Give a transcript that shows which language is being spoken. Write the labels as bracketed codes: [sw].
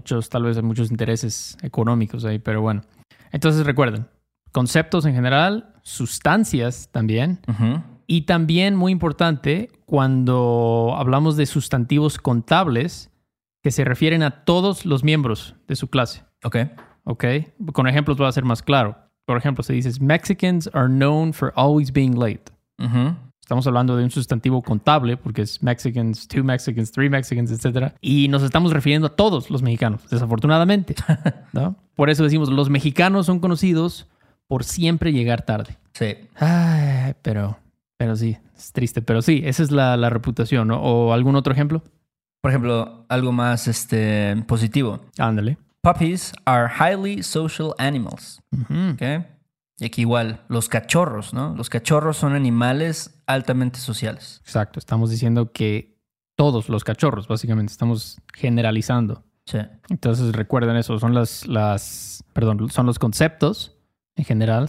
[es] Tal vez hay muchos intereses económicos ahí, pero bueno. Entonces recuerden, conceptos en general, sustancias también. Uh-huh. Y también, muy importante, cuando hablamos de sustantivos contables, que se refieren a todos los miembros de su clase. Ok. Ok. Con ejemplos va a ser más claro. Por ejemplo, se dice, [en] Mexicans are known for always being late. Uh-huh. [es] Estamos hablando de un sustantivo contable, porque es Mexicans, [en] two Mexicans, three Mexicans, [es] etc. Y nos estamos refiriendo a todos los mexicanos, desafortunadamente, ¿no? Por eso decimos, los mexicanos son conocidos por siempre llegar tarde. Sí. Ay, pero sí, es triste. Pero sí, esa es la reputación, ¿no? ¿O algún otro ejemplo? Por ejemplo, algo más positivo. Ándale. [en] Puppies are highly social animals. Uh-huh. [es] Okay. Y aquí igual, los cachorros, ¿no? Los cachorros son animales altamente sociales. Exacto. Estamos diciendo que todos los cachorros, básicamente. Estamos generalizando. Sí. Entonces, recuerden eso. Son son los conceptos en general.